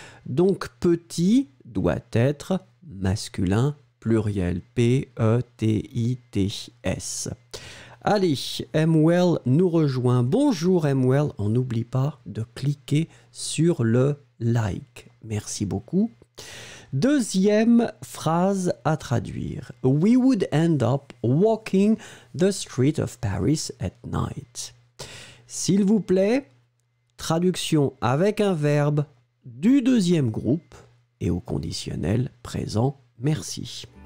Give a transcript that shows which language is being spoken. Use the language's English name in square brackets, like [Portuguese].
[French] Donc petit doit être masculin pluriel. P-E-T-I-T-S. Allez, Emwell nous rejoint. Bonjour Emwell, on n'oublie pas de cliquer sur le like. Merci beaucoup. Deuxième phrase à traduire. [English] We would end up walking the street of Paris at night. [French] S'il vous plaît, traduction avec un verbe du deuxième groupe et au conditionnel présent. Merci.